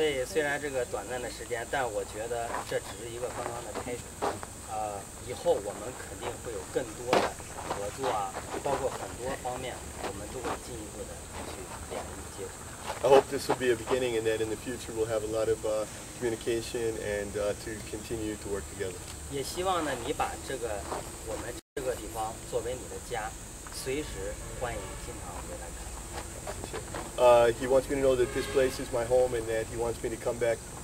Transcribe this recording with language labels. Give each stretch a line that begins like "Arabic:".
English: I hope this will be a beginning and that in the future we'll have a lot of communication and to continue to work together.
Chinese: 也希望呢，你把这个我们这个地方作为你的家，随时欢迎经常回来看。
English: He wants me to know that this place is my home and that he wants me to come back.